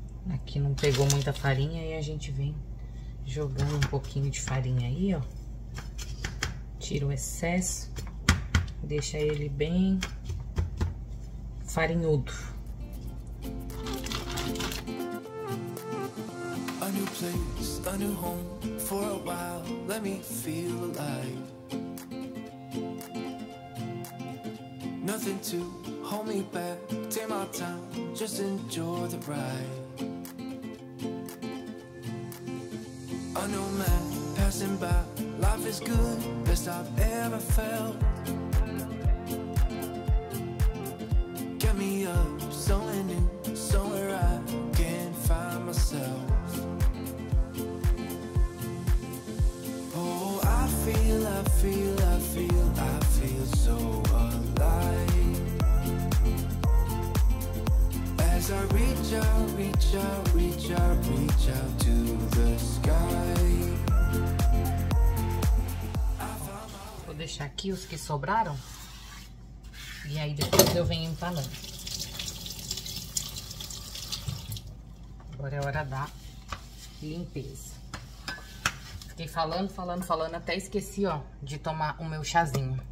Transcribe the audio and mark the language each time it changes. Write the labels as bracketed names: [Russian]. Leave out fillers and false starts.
[Portuguese] Aqui não pegou muita farinha, e a gente vem jogando um pouquinho de farinha aí, ó. Tira o excesso, deixa ele bem farinhudo. [English] A new place, a new home, for a while, let me feel alive. Nothing to hold me back, take my time, just enjoy the ride. A new man passing by, life is good, best I've ever felt. Get me up, somewhere new, somewhere I can find myself. Oh, I feel, I feel, I feel, I feel so alive. As I reach out, reach out, reach out, reach out to the sky. [Portuguese] Deixar aqui os que sobraram e aí depois eu venho empanando. Agora é hora da limpeza. Fiquei falando, falando, falando, até esqueci, ó, de tomar o meu chazinho.